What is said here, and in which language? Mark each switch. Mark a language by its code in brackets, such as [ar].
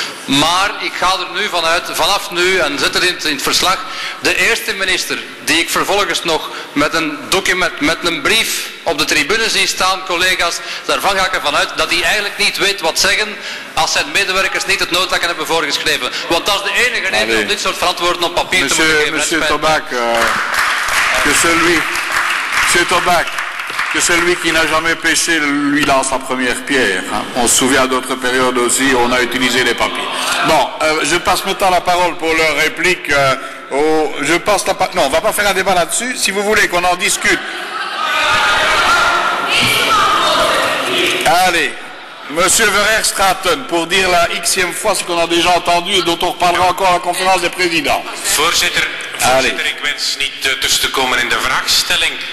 [nl] Maar ik ga er nu vanuit, vanaf nu, en zet het in het verslag, de eerste minister die ik vervolgens nog met een document, met een brief op de tribune zie staan, collega's, daarvan ga ik ervan uit dat hij eigenlijk niet weet wat zeggen als zijn medewerkers niet het noodzakken hebben voorgeschreven. Want dat is de enige reden om dit soort verantwoorden op papier [fr] monsieur, [nl] te moeten geven. [fr] Monsieur Tobac, que celui, monsieur Tobac, que celui qui n'a jamais pêché, lui lance la première pierre. Hein. On se souvient d'autres périodes aussi où on a utilisé les papiers. Bon, je passe maintenant la parole pour leur réplique. Non, on ne va pas faire un débat là-dessus. Si vous voulez qu'on en discute. Allez, monsieur Verheerstraten, pour dire la xème fois ce qu'on a déjà entendu et dont on reparlera encore à la conférence des présidents. [nl] Voorzitter. Voorzitter, ik wens niet tussen te komen in de vraagstelling.